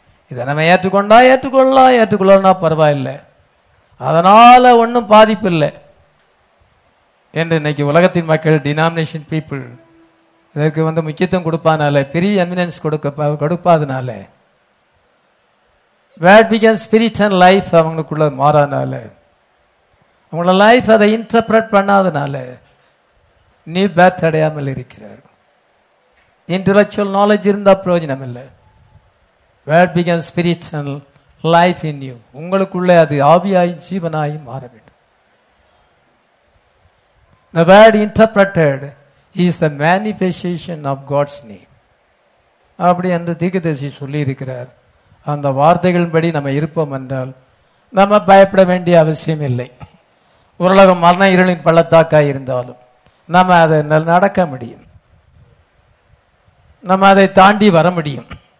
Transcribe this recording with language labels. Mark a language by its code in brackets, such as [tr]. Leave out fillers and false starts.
[ta] இதை நம்ம ஏற்றுக்கொண்டா ஏற்றுக்கொள்ளலாம், ஏற்றுக்கொள்ளலன்னா பரவாயில்லை, அதனால ஒன்றும் பாதிப்பு இல்லை என்று இன்னைக்கு உலகத்தின் மக்கள், [en] denomination people, [ta] இதற்கு வந்து முக்கியத்துவம் கொடுப்பதனால, பெரிய eminence கொடுப்பதனால, [en] word become spirit and life [ta] அவங்களுக்குள்ள மாறாதனால, அவங்களோட லைஃப் அதை இன்டர்பிரட் பண்ணாதனால நீ பேர்த் அடையாமல் இருக்கிறார். [en] intellectual knowledge [ta] இருந்தால் பிரயோஜனம் இல்லை. [en] Word become spirit and life in you. [ta] உங்களுக்குள்ளே அது ஆவியாயும் ஜீவனாயும் மாற வேண்டும். [en] The word interpreted is the manifestation of God's name. [ta] அப்படி அந்த தீர்க்கதரிசி சொல்லி இருக்கிறார். அந்த வார்த்தைகளின்படி நம்ம இருப்போம் என்றால் நம்ம பயப்பட வேண்டிய அவசியம் இல்லை. உலகம் மரண இருளின் பள்ளத்தாக்காய் இருந்தாலும் நம்ம அதை நடக்க முடியும், நம்ம அதை தாண்டி வர முடியும்.